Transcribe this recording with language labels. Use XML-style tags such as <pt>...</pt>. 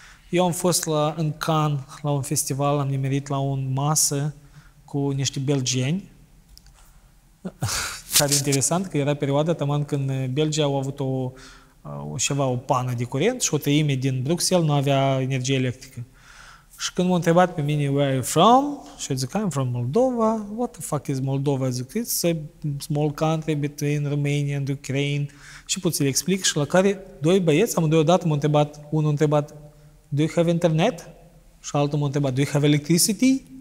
<ro>Eu am fost în Cannes, la un festival, am nimerit la o masă cu niște belgeni. Care interesant că era perioada tamam când Belgia au avut o pană de curent și o treime din Bruxelles nu avea energie electrică. Și când m-au întrebat pe mine,</ro> <en>where are you from?</en> <ro>Și eu zic,</ro> <en>I'm from Moldova. What the fuck is Moldova? Zic, it's a small country between Romania and Ukraine.</en> <ro>Și pot să le explic și la care doi băieți, amândoi odată m-au întrebat, unul m-a întrebat,</ro> <en>do you have internet?</en> <ro>Și altul m-a întrebat,</ro> <en>do you have electricity?</en>